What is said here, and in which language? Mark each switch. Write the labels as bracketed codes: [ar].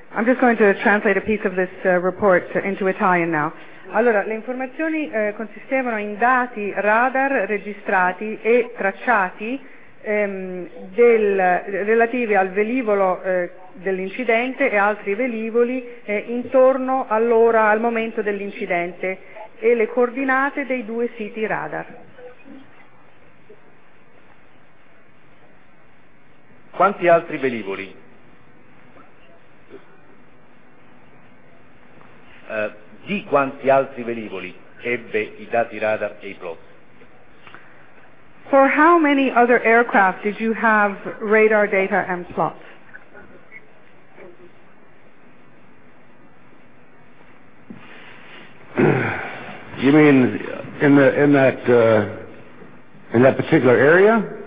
[en] I'm just going to translate a piece of this report into Italian now. [it] Allora, le informazioni consistevano in dati radar registrati e tracciati relativi al velivolo dell'incidente e altri velivoli intorno all'ora, al momento dell'incidente, e le coordinate dei due siti radar. Quanti altri velivoli? Di quanti altri velivoli ebbe i dati radar e i plot? [en] For how many other aircraft did you have radar data and plot? You mean in that particular area?